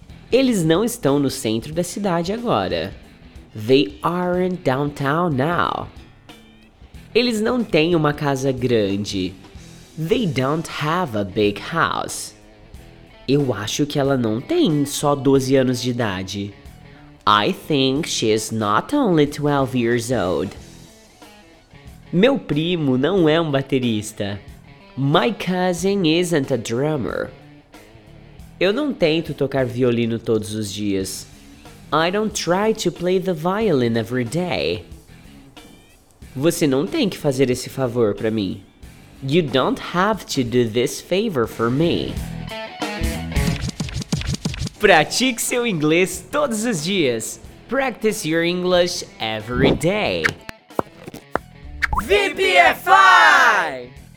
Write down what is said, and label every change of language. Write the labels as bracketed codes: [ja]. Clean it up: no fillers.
[pt] Eles não estão no centro da cidade agora. [en] They aren't downtown now. [pt] Eles não têm uma casa grande. [en] They don't have a big house. [pt] Eu acho que ela não tem só 12 anos de idade. [en] I think she is not only 12 years old. [pt] Meu primo não é um baterista. [en] My cousin isn't a drummer. [pt] Eu não tento tocar violino todos os dias. [en] I don't try to play the violin every day. [pt] Você não tem que fazer esse favor para mim. [en] You don't have to do this favor for me. [pt] Pratique seu inglês todos os dias. [en] Practice your English every day. VPFI!